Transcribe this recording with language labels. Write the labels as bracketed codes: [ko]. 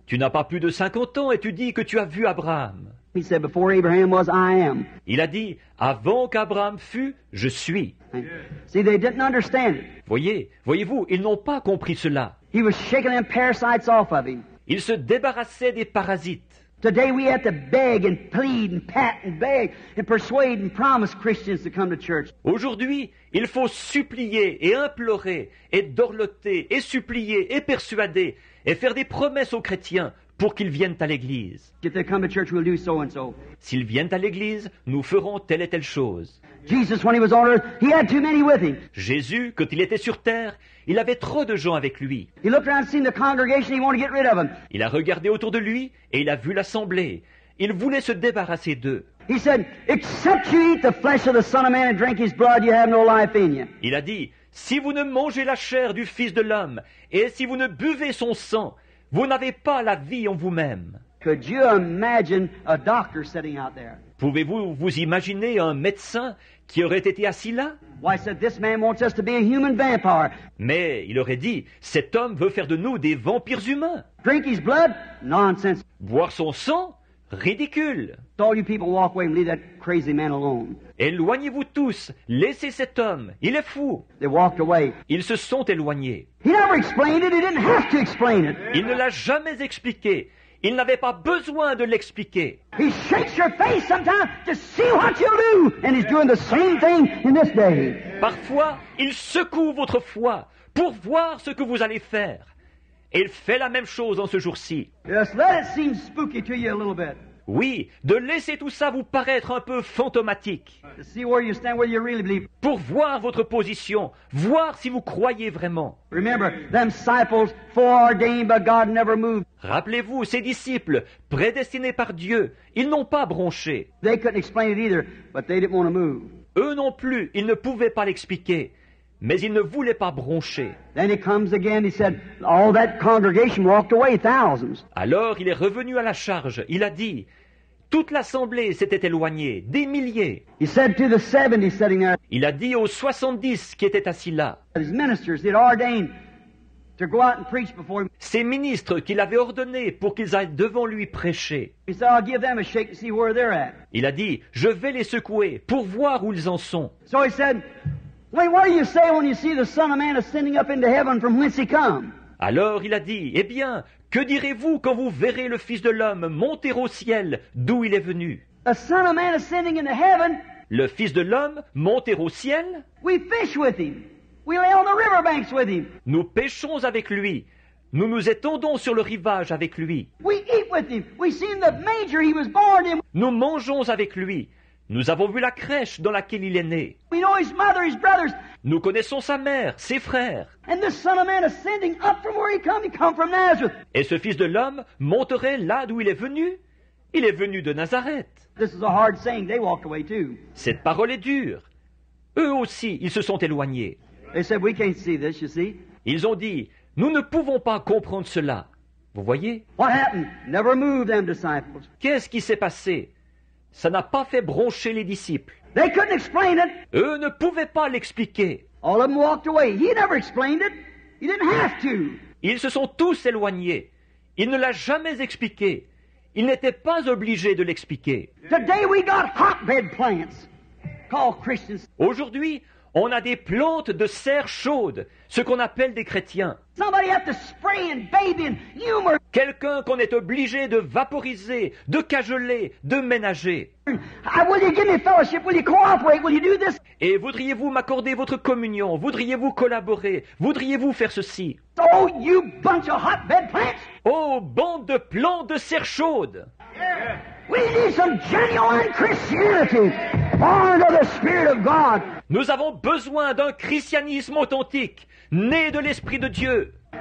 [fr] Tu n'as pas plus de 50 ans et tu dis que tu as vu Abraham. [en] He said, before Abraham was, I am. [fr] Il a dit, avant qu'Abraham fût, je suis. [en] See, they didn't understand it. [fr] Voyez-vous, ils n'ont pas compris cela. [en] He was shaking them parasites off of him. [fr] Il se débarrassait des parasites. [en] Today we have to beg and plead and pat and beg and persuade and promise Christians to come to church. [fr] Aujourd'hui, il faut supplier et implorer et dorloter et supplier et persuader et faire des promesses aux chrétiens pour qu'ils viennent à l'église. [en] If they come to church, we'll do so and so. [fr] S'ils viennent à l'église, nous ferons telle et telle chose. [en] Jesus, when he was on earth, he had too many with him. [fr] Jésus, quand il était sur terre, il avait trop de gens avec lui. [en] He looked around and seen the congregation, he wanted to get rid of them. [fr] Il a regardé autour de lui et il a vu l'assemblée. Il voulait se débarrasser d'eux. [en] He said, except you eat the flesh of the Son of Man and drink his blood, you have no life in you. [fr] Il a dit, si vous ne mangez la chair du Fils de l'homme et si vous ne buvez son sang, vous n'avez pas la vie en vous-même. [en] Could you imagine a doctor sitting out there? [fr] Pouvez-vous vous imaginer un médecin qui aurait été assis là? [en] Why, said, this man wants us to be a human vampire. [fr] Mais il aurait dit, cet homme veut faire de nous des vampires humains. [en] Drink his blood? Nonsense. [fr] Boire son sang? Ridicule. [en] All you people walk away and leave that crazy man alone. [fr] Éloignez-vous tous, laissez cet homme, il est fou. [en] They walked away. [fr] Ils se sont éloignés. [en] He never explained it. He didn't have to explain it. [fr] Il ne l'a jamais expliqué. Il n'avait pas besoin de l'expliquer. [en] He shakes your face sometimes to see what you do, and he's doing the same thing in this day. [fr] Parfois, il secoue votre foi pour voir ce que vous allez faire. Et il fait la même chose en ce jour-ci. [en] Yes, let it seem spooky to you a little bit. [fr] Oui, de laisser tout ça vous paraître un peu fantomatique. [en] To see where you stand, where you really believe. [fr] Pour voir votre position, voir si vous croyez vraiment. [en] Remember, them disciples foreordained by God never moved. [fr] Rappelez-vous, ces disciples, prédestinés par Dieu, ils n'ont pas bronché. [en] They couldn't explain it either, but they didn't want to move. [fr] Eux non plus, ils ne pouvaient pas l'expliquer. Mais il ne voulait pas broncher. [en] Then he comes again, he said, all that congregation walked away, thousands. [fr] Alors il est revenu à la charge. Il a dit, toute l'assemblée s'était éloignée, des milliers. [en] He said to the 70 sitting there. [fr] Il a dit aux 70 qui étaient assis là. [en] His ministers, he'd ordained to go out and preach before him. [fr] Ses ministres qu'il avait ordonnés pour qu'ils aillent devant lui prêcher. [en] He said, I'll give them a shake to see where they're at. [fr] Il a dit, je vais les secouer pour voir où ils en sont. [en] So he said, wait, what do you say when you see the Son of Man ascending up into heaven from whence he come? [fr] Alors il a dit, eh bien, que direz-vous quand vous verrez le Fils de l'homme monter au ciel d'où il est venu? [en] A Son of Man ascending into heaven? [fr] Le Fils de l'homme monter au ciel? [en] We fish with him. We lay on the river banks with him. [fr] Nous pêchons avec lui. Nous nous étendons sur le rivage avec lui. [en] We eat with him. We seen the manger he was born in. [fr] Nous mangeons avec lui. Nous avons vu la crèche dans laquelle il est né. [en] We know his mother, his brothers. [fr] Nous connaissons sa mère, ses frères. [en] And the Son of Man ascending up from where he come from Nazareth. [fr] Et ce Fils de l'homme monterait là d'où il est venu. Il est venu de Nazareth. [en] This is a hard saying. They walked away too. [fr] Cette parole est dure. Eux aussi, ils se sont éloignés. [en] They said, we can't see this, you see. [fr] Ils ont dit, nous ne pouvons pas comprendre cela. Vous voyez? [en] What happened? Never moved them disciples. [fr] Qu'est-ce qui s'est passé? Ça n'a pas fait broncher les disciples. [en] They couldn't explain it. [fr] Eux ne pouvaient pas l'expliquer. [en] All of them walked away. He never explained it. He didn't have to. [fr] Ils se sont tous éloignés. Il ne l'a jamais expliqué. Il n'était pas obligé de l'expliquer. [en] Today we got hotbed plants called Christians. [fr] Aujourd'hui, on a des plantes de serre chaude, ce qu'on appelle des chrétiens. [en] Somebody have to spray and baby and humor. [fr] Quelqu'un qu'on est obligé de vaporiser, de cajoler, de ménager. [en] Will you give me fellowship? Will you cooperate? Will you do this? [fr] Et voudriez-vous m'accorder votre communion? Voudriez-vous collaborer? Voudriez-vous faire ceci? [en] Oh, you bunch of hotbed plants! [fr] Oh, bande de plantes de serre chaude! [en] Yeah. We need some genuine Christianity, born of the Spirit of God. [fr] Nous avons besoin d'un christianisme authentique, né de l'Esprit de Dieu.